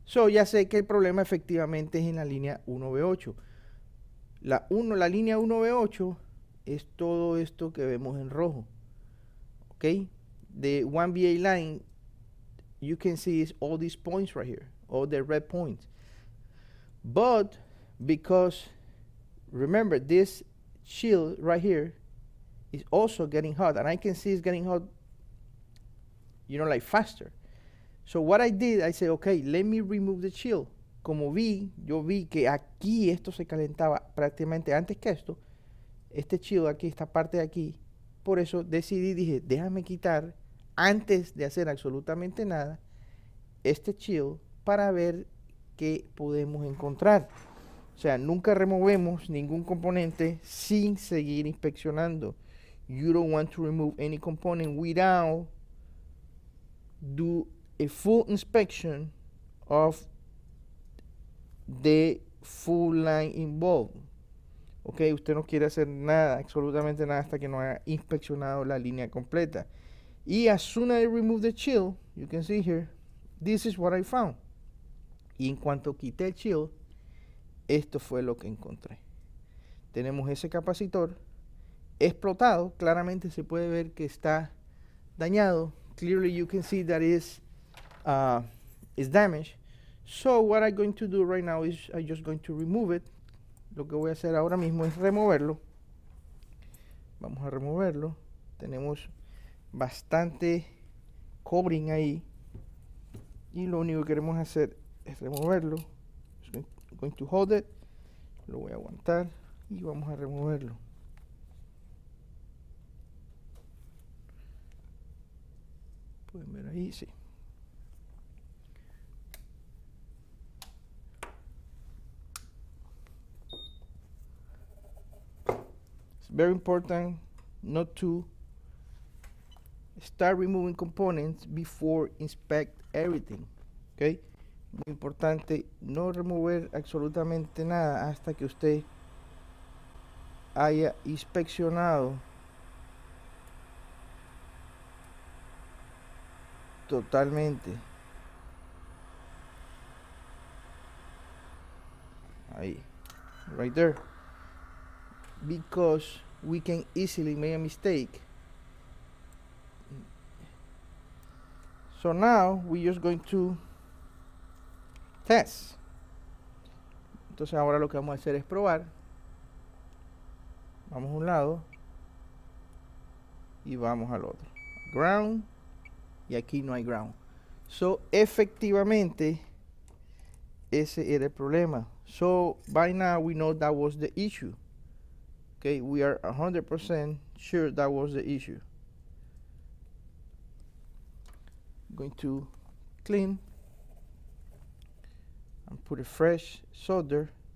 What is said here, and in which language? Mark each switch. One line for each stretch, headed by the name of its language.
Spanish: Ya sé que el problema efectivamente es en la línea 1V8. La línea 1V8 es todo esto que vemos en rojo. ¿Ok?
English: The 1VA line, you can see it's all these points right here, all the red points. But because, remember, this shield right here is also getting hot, and I can see it's getting hot, you know, like faster. So what I did, I said, okay, let me remove the shield.
Spanish: Como vi, yo vi que aquí esto se calentaba prácticamente antes que esto, este shield aquí, esta parte de aquí, por eso decidí, dije, déjame quitar, antes de hacer absolutamente nada, este shield para ver qué podemos encontrar. O sea, nunca removemos ningún componente sin seguir inspeccionando.
English: You don't want to remove any component without do a full inspection of the full line involved.
Spanish: Ok, usted no quiere hacer nada, absolutamente nada, hasta que no haya inspeccionado la línea completa.
English: Y as soon as I remove the chill, you can see here, this is what I found.
Spanish: Y en cuanto quité el chill, esto fue lo que encontré. Tenemos ese capacitor explotado, claramente se puede ver que está dañado.
English: Clearly you can see that is damaged. So what I'm going to do right now is I'm just going to remove it.
Spanish: Lo que voy a hacer ahora mismo es removerlo. Vamos a removerlo. Tenemos bastante covering ahí. Y lo único que queremos hacer es removerlo.
English: I'm going to hold it.
Spanish: Lo voy a aguantar y vamos a removerlo. Pueden ver ahí, sí.
English: It's very important not to start removing components before inspect everything. Okay?
Spanish: Muy importante no remover absolutamente nada hasta que usted haya inspeccionado totalmente.
English: Ahí, right there. Because we can easily make a mistake. So now we're just going to test.
Spanish: Entonces ahora lo que vamos a hacer es probar. Vamos a un lado y vamos al otro. Ground. Y aquí no hay ground. So, efectivamente, ese era el problema.
English: So by now we know that was the issue. Okay, we are 100% sure that was the issue. I'm going to clean and put a fresh solder.